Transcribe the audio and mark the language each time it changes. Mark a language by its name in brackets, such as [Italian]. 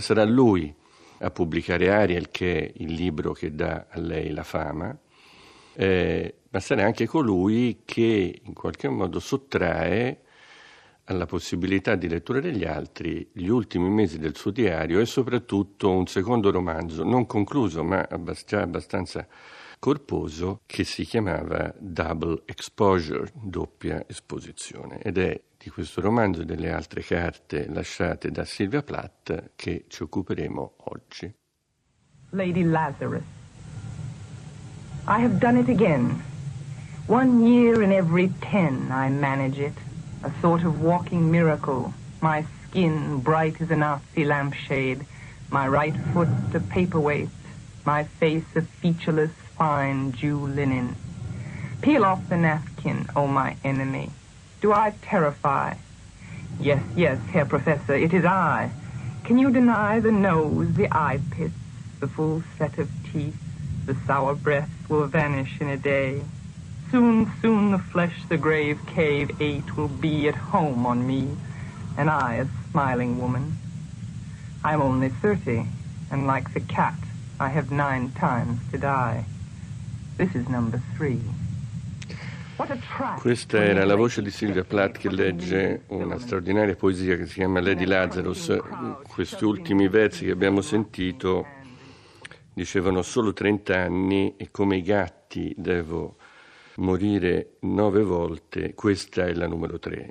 [Italian] Sarà lui a pubblicare Ariel, che è il libro che dà a lei la fama, ma sarà anche colui che in qualche modo sottrae alla possibilità di lettura degli altri gli ultimi mesi del suo diario e soprattutto un secondo romanzo, non concluso ma già abbastanza corposo, che si chiamava Double Exposure, doppia esposizione. Ed è di questo romanzo e delle altre carte lasciate da Sylvia Plath che ci occuperemo oggi. [English] Lady Lazarus, I have done it again. 1 year in every 10 I manage it. A sort of walking miracle, my skin bright as an Nazi lampshade, my right foot a paperweight, my face a featureless fine jew linen. Peel off the napkin, oh my enemy. Do I terrify? Yes, yes, Herr Professor, it is I. Can you deny the nose, the eye pits, the full set of teeth? The sour breath will vanish in a day. Soon, soon the flesh the grave cave ate will be at home on me, and I a smiling woman. I'm only 30, and like the cat, I have 9 times to die. This is number 3. [Italian] Questa era la voce di Sylvia Plath che legge una straordinaria poesia che si chiama Lady Lazarus. Questi ultimi versi che abbiamo sentito dicevano solo 30 anni e come i gatti devo morire 9 volte, questa è la numero 3.